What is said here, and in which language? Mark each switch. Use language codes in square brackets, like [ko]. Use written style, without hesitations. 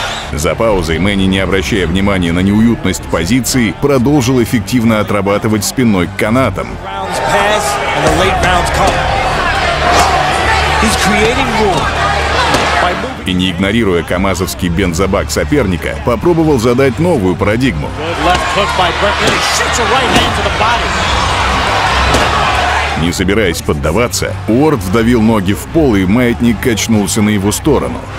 [ru] За паузой Мэнни, не обращая внимания на неуютность позиции, продолжил эффективно отрабатывать спиной к канатам. [en] And the late rounds come. He's creating room. [ru] И не игнорируя камазовский бензобак соперника, попробовал задать новую парадигму. Не собираясь поддаваться, Уорд вдавил ноги в пол, и маятник качнулся на его сторону.